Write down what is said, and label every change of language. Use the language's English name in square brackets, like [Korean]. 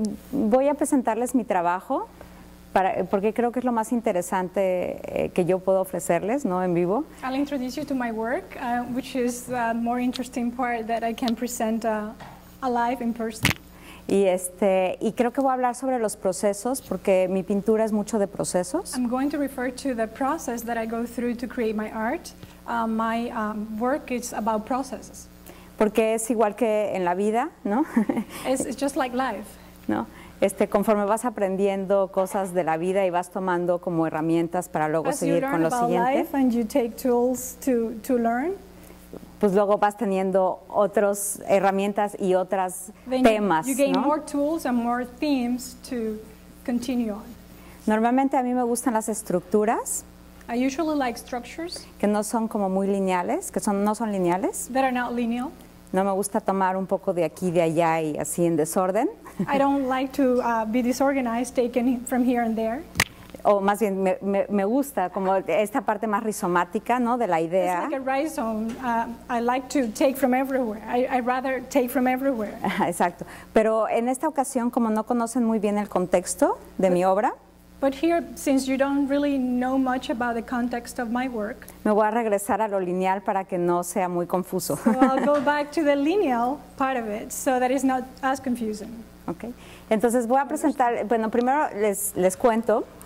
[Spanish] Voy a presentarles mi trabajo porque creo que es lo más interesante que yo puedo ofrecerles, ¿no? En vivo. [English] I'll introduce you to my work, which is the more interesting part that I can present alive in person. [Spanish] Y creo que voy a hablar sobre los procesos porque mi pintura es mucho de procesos. [English] I'm going to refer to the process that I go through to create my art. My work is about processes. [Spanish] Porque es igual que en la vida, ¿no? [English] It's just like life. [Spanish] ¿No? Conforme vas aprendiendo cosas de la vida y vas tomando como herramientas para luego seguir con lo siguiente. [English] As you learn about life and you take tools to learn. [Spanish] Pues luego vas teniendo otras herramientas y otras temas, ¿no? [English] You gain [Spanish] ¿no? [English] more tools and more themes to continue on. [Spanish] Normalmente a mí me gustan las estructuras. [English] I usually like structures [Spanish] que no son como muy lineales, que son, no son lineales. [English] That are not lineal. [Spanish] No me gusta tomar un poco de aquí, de allá y así en desorden. [English] I don't like to be disorganized, taken from here and there. [Spanish] O más bien, me gusta como esta parte más rizomática, ¿no? De la idea. [English] It's like a rhizome. I like to take from everywhere. I'd rather take from everywhere. [Spanish] Exacto. Pero en esta ocasión, como no conocen muy bien el contexto de mi obra, [English] but here, since you don't really know much about the context of my work, [Spanish] me voy a regresar a lo lineal para que no sea muy confuso. [English] So I'll go back to the lineal part of it, so that it's not as confusing. Okay. [Spanish] Entonces voy a presentar. Bueno, primero les cuento.